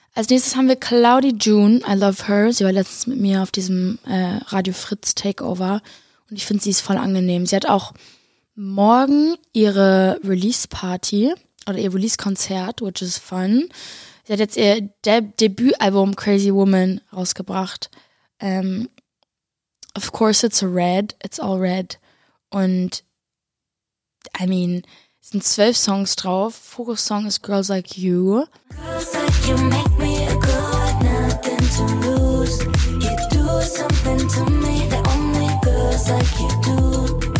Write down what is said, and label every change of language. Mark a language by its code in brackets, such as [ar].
[de] Als nächstes haben wir Claudie June, [en] I love her. [de] Sie war letztens mit mir auf diesem Radio Fritz Takeover und ich finde, sie ist voll angenehm. Sie hat auch morgen ihre Release-Party oder ihr Release-Konzert, [en] which is fun. [de] Sie hat jetzt ihr Debütalbum Crazy Woman rausgebracht. [en] Of course it's red, it's all red. [de] Und [en] I mean, [de] es sind 12 Songs drauf. Fokus Song ist Girls Like You. [en] Girls like you make me a girl, nothing to lose. You do something to me, the only girls like you do.